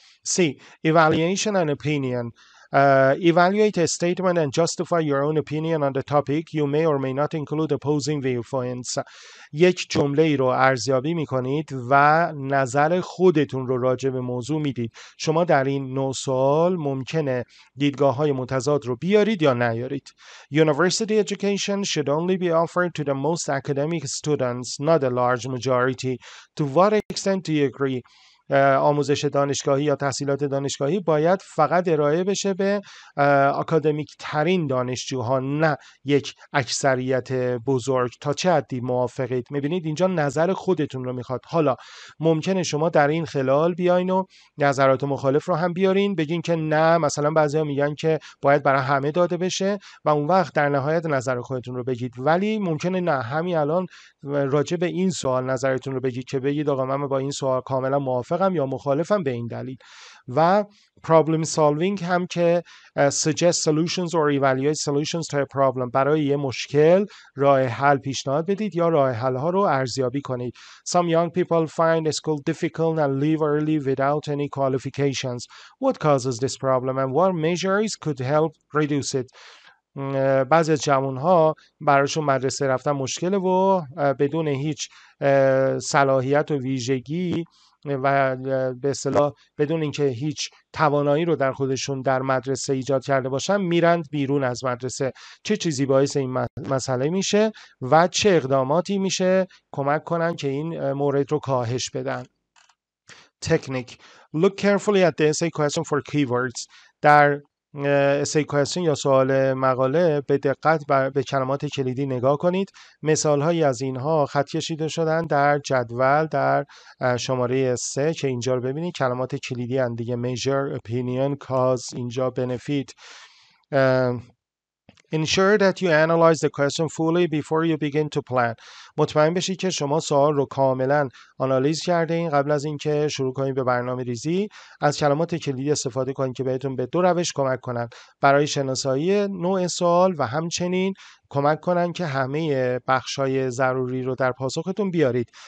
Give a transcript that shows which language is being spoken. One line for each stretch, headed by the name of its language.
English: C. Evaluation and opinion. Evaluate a statement and justify your own opinion on the topic. You may or may not include opposing viewpoints.
Persian: یک جمله ای رو ارزیابی میکنید و نظر خودتون رو راجع به موضوع میدید. شما در این نوع سوال ممکنه دیدگاه های متضاد رو بیارید یا نیارید.
English: University education should only be offered to the most academic students, not a large majority. To what extent do you agree?
Persian: آموزش دانشگاهی یا تحصیلات دانشگاهی باید فقط ارائه بشه به آکادمیک ترین دانشجوها، نه یک اکثریت بزرگ. تا چه حدی موافقید؟ میبینید اینجا نظر خودتون رو میخواد. حالا ممکنه شما در این خلال بیاین و نظرات مخالف رو هم بیارین، بگین که نه، مثلا بعضیا میگن که باید برای همه داده بشه و اون وقت در نهایت نظر خودتون رو بگید. ولی ممکنه نه، همین الان راجع به این سوال نظرتون رو بگید که بگید آقا من با این سوال کاملا موافقم یا مخالفم به این دلیل. و
English: problem solving
Persian: هم که
English: suggest solutions or evaluate solutions to a problem،
Persian: برای یه مشکل راه حل پیشنهاد بدید یا راه حل ها رو ارزیابی کنید.
English: Some young people find school difficult and leave early without any qualifications. What causes this problem and what measures could help reduce it؟
Persian: بعضی از جوان ها براشون مدرسه رفتن مشکله و بدون هیچ صلاحیت و ویژگی و به اصطلاح بدون اینکه هیچ توانایی رو در خودشون در مدرسه ایجاد کرده باشن میرند بیرون از مدرسه. چه چیزی باعث این مسئله میشه و چه اقداماتی میشه کمک کنن که این مورد رو کاهش بدن؟ تکنیک.
English: Look carefully at the essay question for keywords.
Persian: در essay question یا سوال مقاله به دقت به کلمات کلیدی نگاه کنید. مثال هایی از اینها خط کشیده شدن در جدول در شماره 3 که اینجا رو ببینید. کلمات کلیدی هم دیگه major, opinion, cause، اینجا benefit.
English: Ensure that you analyze the question fully before you begin to plan.
Persian: مطمئن بشید که شما سوال رو کاملا آنالیز کرده این قبل از اینکه شروع کنید به برنامه ریزی. از کلمات کلیدی استفاده کنید که بهتون به دو روش کمک کنند، برای شناسایی نوع سوال و همچنین کمک کنن که همه بخشای ضروری رو در پاسختون بیارید.